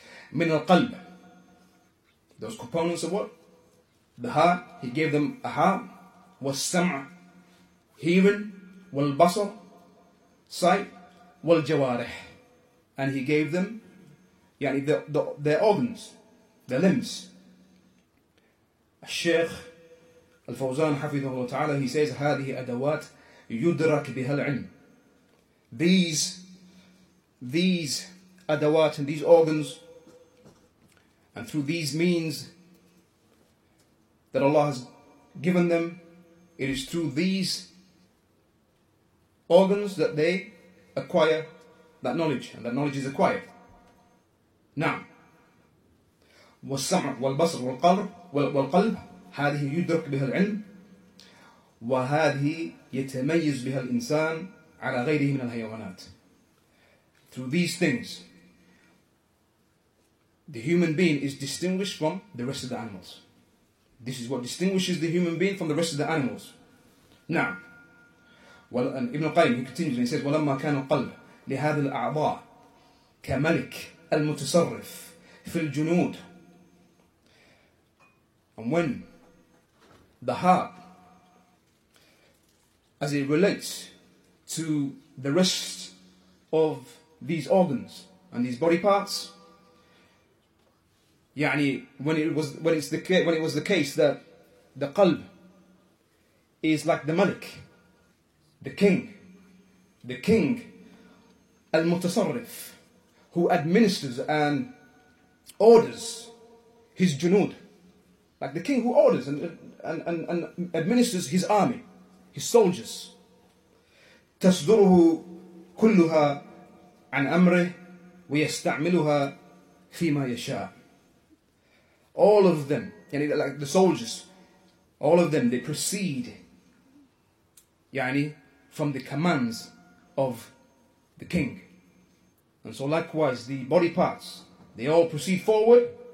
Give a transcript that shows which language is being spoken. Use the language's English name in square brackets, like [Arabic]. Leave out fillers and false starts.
[English] Min al-qalb, those components of what? The heart, he gave them a heart. Was-sam', hearing. Wal-basar, sight. Wal-jawarih, and he gave them their organs, their limbs. [Arabic] الشيخ الفوزان حفظه الله تعالى, [English] he says, [Arabic] هذه أدوات يدرك بها العلم. [English] These أدوات and these organs, and through these means that Allah has given them, it is through these organs that they acquire that knowledge, and that knowledge is acquired. [Arabic] نعم. والسمع والبصر والقلب والقلب هذه يدرك بها العلم وهذه يتميز بها الإنسان على غيره من الحيوانات. [English] Through these things, the human being is distinguished from the rest of the animals. This is what distinguishes the human being from the rest of the animals. [Arabic] نعم. [English] And Ibn al-Qayyim, he continues and he says, [Arabic] وَلَمَّا كَانَ الْقَلْبُ لِهَذِ الْأَعْضَاءِ كَمَلِكِ الْمُتَصَرِّفِ فِي الْجُنُودِ. [English] And when the heart, as it relates to the rest of these organs and these body parts, when it was the case that the qalb is like the malik, the king al-mutasarrif, who administers and orders his junood. Like the king who orders and administers his army, his soldiers. [Arabic] تصدره كلها عن أمره ويستعملها فيما يشاء. [English] All of them, like the soldiers, all of them, they proceed from the commands of the king. And so likewise, the body parts, they all proceed forward